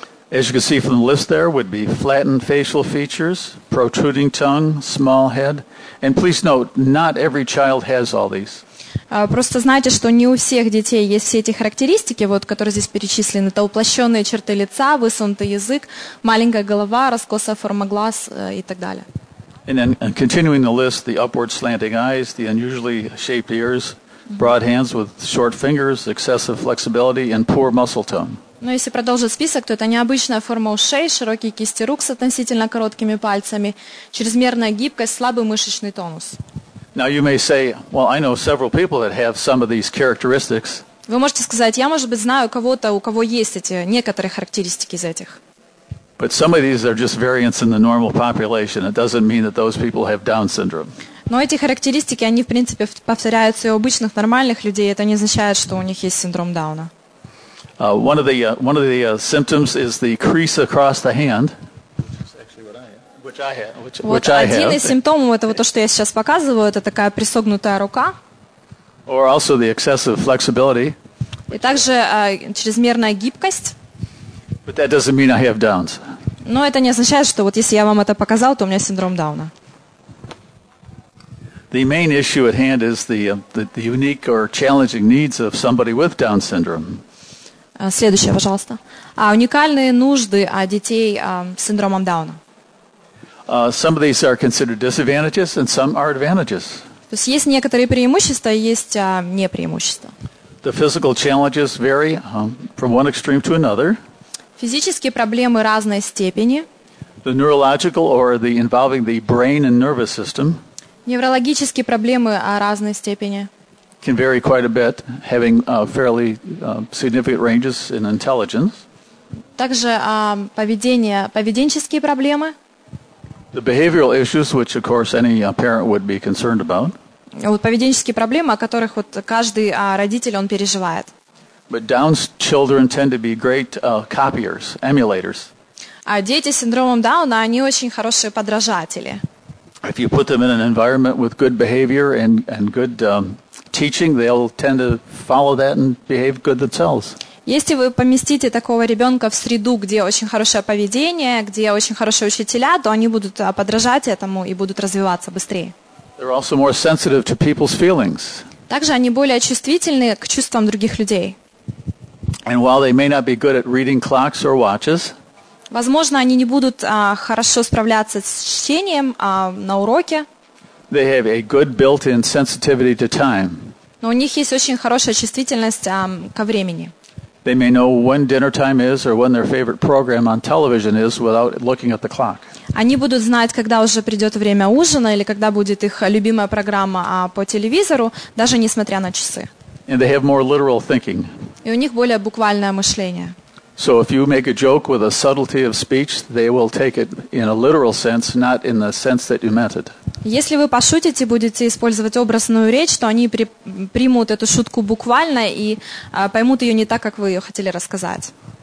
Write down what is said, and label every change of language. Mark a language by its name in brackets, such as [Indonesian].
[English] As you can see from the list there, would be flattened facial features, protruding tongue, small head. And please note, not every child has all these. [Russian] Просто знайте, что не у всех детей есть все эти характеристики, вот, которые здесь перечислены. Это уплощенные черты лица, высунутый язык, маленькая голова, раскосая форма глаз и так далее. [English] And then continuing the list, the upward slanting eyes, the unusually shaped ears, broad hands with short fingers, excessive flexibility, and poor muscle tone. [Russian] Но если продолжить список, то это необычная форма ушей, широкие кисти рук с относительно короткими пальцами, чрезмерная гибкость, слабый мышечный тонус. [English] Now you may say, well, I know several people that have some of these characteristics. [Russian] Вы можете сказать, я, может быть, знаю кого-то, у кого есть эти некоторые характеристики из этих. [English] But some of these are just variants in the normal population. It doesn't mean that those people have Down syndrome. [Russian] Но эти характеристики, они, в принципе, повторяются и у обычных нормальных людей. Это не означает, что у них есть синдром Дауна. [English] One of the symptoms is the crease across the hand. [Russian] Один из симптомов этого, то, что я сейчас показываю, это такая присогнутая рука. [English] Or also the excessive flexibility. [Russian] И также чрезмерная гибкость. [English] But that doesn't mean I have Downs. [Russian] Но это не означает, что вот если я вам это показал, то у меня синдром Дауна. [English] The main issue at hand is the unique or challenging needs of somebody with Down syndrome. [Russian] Следующее, пожалуйста. Уникальные нужды детей с синдромом Дауна. [English] Some of these are considered disadvantages and some are advantages. [Russian] То есть есть некоторые преимущества, есть непреимущества. [English] The physical challenges vary from one extreme to another. [Russian] Физические проблемы разной степени. [English] The neurological or the involving the brain and nervous system. [Russian] Неврологические проблемы разной степени. [English] Can vary quite a bit, having fairly significant ranges in intelligence. [Russian] Также поведенческие проблемы. [English] The behavioral issues, which of course any parent would be concerned about. [Russian] Вот поведенческие проблемы, о которых вот каждый родитель, он переживает. [English] But Down's children tend to be great copiers, emulators. [Russian] А дети с синдромом Дауна, они очень хорошие подражатели. [English] If you put them in an environment with good behavior and good teaching, they'll tend to follow that and behave good themselves. [Russian] Если вы поместите такого ребенка в среду, где очень хорошее поведение, где очень хорошие учителя, то они будут подражать этому и будут развиваться быстрее. [English] They're also more sensitive to people's feelings. [Russian] Также они более чувствительны к чувствам других людей. [English] And while they may not be good at reading clocks or watches, [Russian] возможно, они не будут хорошо справляться с чтением на уроке. [English] They have a good built-in sensitivity to time. [Russian] Но у них есть очень хорошая чувствительность ко времени. [English] They may know when dinner time is or when their favorite program on television is without looking at the clock. [Russian] Они будут знать, когда уже придет время ужина или когда будет их любимая программа по телевизору, даже несмотря на часы. [English] And they have more literal thinking. [Russian] И у них более буквальное мышление. [English] So if you make a joke with a subtlety of speech, they will take it in a literal sense, not in the sense that you meant it. [Russian] Если вы пошутите, будете использовать образную речь, то они примут эту шутку буквально и поймут ее не так, как вы ее хотели рассказать.